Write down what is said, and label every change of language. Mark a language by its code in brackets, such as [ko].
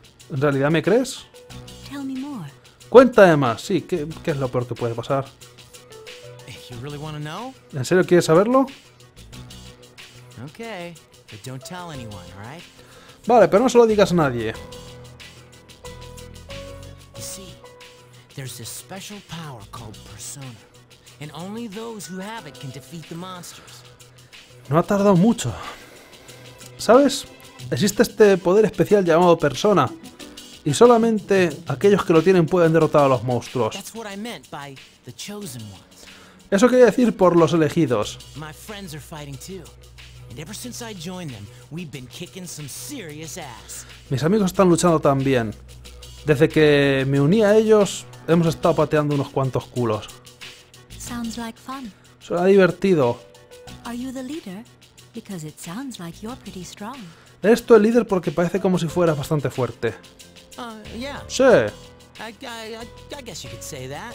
[es] ¿En realidad me crees? Cuéntame más. Sí, ¿qué es lo peor que puede pasar? [en] You really want to know? [es] ¿En serio quieres saberlo? [en] Okay, but don't tell anyone, all right? [es] Vale, pero no se lo digas a nadie. [en] You see, there's this special power called Persona, and only those who have it can defeat the monsters. [es] No ha tardado mucho. ¿Sabes? Existe este poder especial llamado Persona, y solamente aquellos que lo tienen pueden derrotar a los monstruos. [en] That's what I meant by the chosen ones. [es] Eso quería decir por los elegidos. [en] My friends are fighting too. And ever since I joined them, we've been kicking some serious ass. [es] Mis amigos están luchando también. Desde que me uní a ellos, hemos estado pateando unos cuantos culos. [en] Sounds like fun. [es] Suena divertido. [en] Are you the leader? Because it sounds like you're pretty strong. [es] ¿Eres tú el líder? Porque parece como si fueras bastante fuerte. [en] Yeah. [es] Sí. [en] I guess you could say that.